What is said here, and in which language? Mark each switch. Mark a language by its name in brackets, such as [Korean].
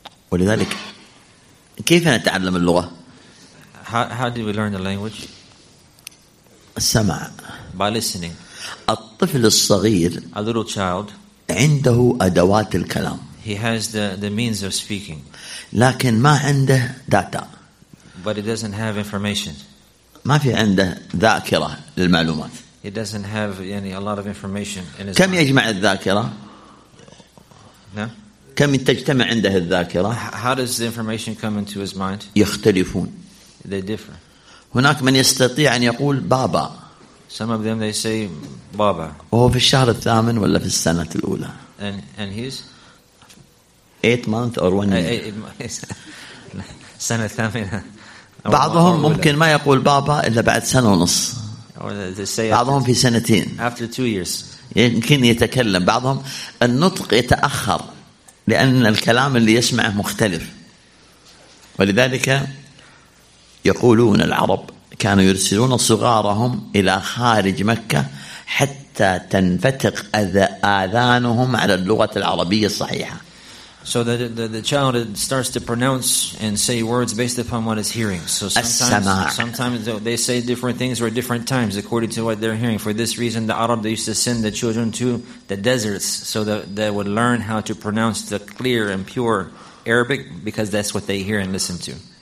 [Arabic] ولذلك كيف نتعلم اللغة؟ [English] How do we learn the language? [Arabic] السمع. [English] By listening. [Arabic] الطفل الصغير. [English] A little child. [Arabic] عنده أدوات الكلام. [English] He has the means of speaking. [Arabic] لكن ما عنده data. [English] But he doesn't have information. [Arabic] ما في عنده ذاكرة للمعلومات. [English] He doesn't have any a lot of information in his. [Arabic] كم يجمع الذاكرة؟ [English] No. [Arabic] كم تجتمع عنده الذاكرة؟ [English] How does the information come into his mind? [Arabic] يختلفون. [English] They differ. [Arabic] هناك من يستطيع أن يقول بابا. [English] Some of them they say بابا. [Arabic] وهو في الشهر الثامن ولا في السنة الأولى. [English] And he's 8 months or 1 year. [Arabic] سنة ثامنة. بعضهم ممكن ما يقول بابا إلا بعد سنة ونص. [English] Or they say [Arabic] بعضهم في سنتين. [English] After 2 years. [Arabic] يمكن يتكلم بعضهم النطق يتأخر. لأن الكلام اللي يسمعه مختلف ولذلك يقولون العرب كانوا يرسلون صغارهم إلى خارج مكة حتى تنفتق آذانهم على اللغة العربية الصحيحة. [English] So the child starts to pronounce and say words based upon what it's hearing. So sometimes they say different things or different times according to what they're hearing. For this reason, the Arab, they used to send the children to the deserts so that they would learn how to pronounce the clear and pure Arabic because that's what they hear and listen to.